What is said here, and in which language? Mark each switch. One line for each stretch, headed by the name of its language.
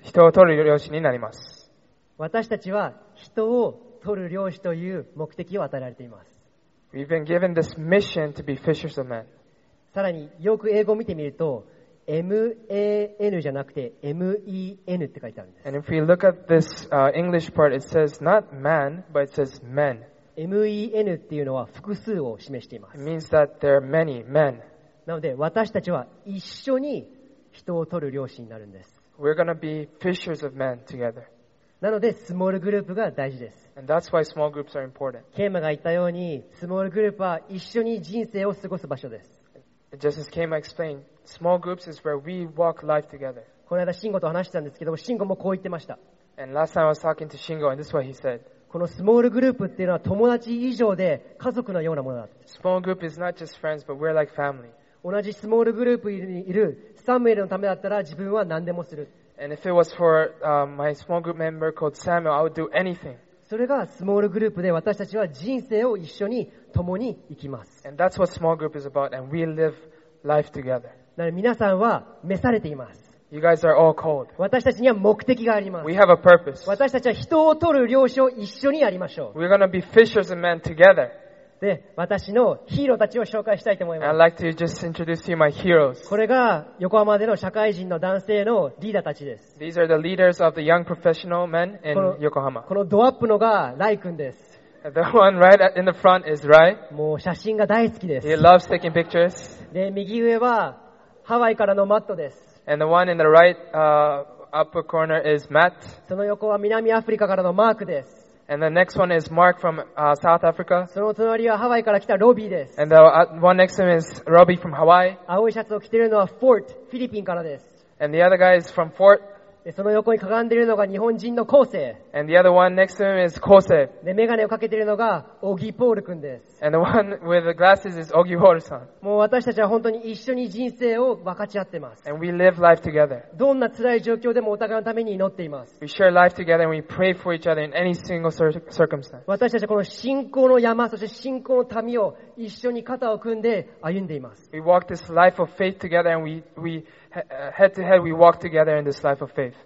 Japanese: 人を取る漁師になります。私たちは人を取る漁師という目的を与えられています。
English: We've been given this mission to be fishers of men.
Japanese: さらによく英語を見てみると、M-A-N じゃなくて M-E-N って書いてあるんです。
English: And if we look at this English part, it says not man, but it says men.
Japanese: M-E-N っていうのは複数を示しています。
English: It means that there are many men.
Japanese: なので私たちは一緒に人を取る漁師になるんです。
English: We're gonna be fishers of men together.
Japanese: なのでスモールグループが大事です。
English: And that's why small groups are important.
Japanese: ケーマが言ったようにスモールグループは一緒に人生を過ごす場所です。
English: Just as Kema explained, small groups is where we walk life together.
Japanese: この間、シンゴと話してたんですけど、シンゴもこう言ってました。
English: And last time I was talking to Shingo, and this is what he said.
Japanese: このスモールグループっていうのは友達以上で家族のようなものだ。
English: Small group is not just friends, but we're like family.
Japanese: 同じスモールグループにいるサムエルのためだったら自分は何でもする。
English: And if it was for my small group member called Samuel, I would do anything.
Japanese: それがスモールグループで私たちは人生を一緒に共に生きます。
English: And that's what small group is about, and we live life together.
Japanese: なので皆さんは召されています。
English: You guys are all called.
Japanese: 私たちには目的があります。
English: We have a purpose.
Japanese: 私たちは人を取る漁師を一緒にやりましょう。
English: We're gonna be fishers and men together.
Japanese: で、私のヒーローたちを紹介したいと思います。
English: I'd like to just introduce you my heroes.
Japanese: これが横浜での社会人の男性のリーダーたちです。
English: These are the leaders of the young professional men in Yokohama.
Japanese: このドアップのがライ君です。
English: The one right in the front is Rai.
Japanese: もう写真が大好きです。
English: He loves taking pictures.
Japanese: で、右上はハワイからのマットです。
English: And the one in the right, upper corner is Matt.
Japanese: その横は南アフリカからのマークです。
English: And the next one is Mark from South Africa.
Japanese: その隣はハワイから来たロビーです。
English: And the one next to him is Robbie from Hawaii.
Japanese: 青いシャツを着ているのはフォート、フィリピンからです。
English: And the other guy is from Fort.
Japanese: でその横にかがんでいるのが日本人のコーセー。
English: And the other one next to him is Kosei.
Japanese: で、メガネをかけているのがオギーポール君です。
English: And the one with the glasses is Ogi Paul さん。
Japanese: もう私たちは本当に一緒に人生を分かち合っています。
English: And we live life together.
Japanese: どんな辛い状況でもお互いのために祈っています。
English: We share life together and we pray for each other in any single circumstance.
Japanese: 私たちはこの信仰の山、そして信仰の民を一緒に肩を組んで歩んでいます。
English: We walk this life of faith together and we head to head we walk together in this life of faith.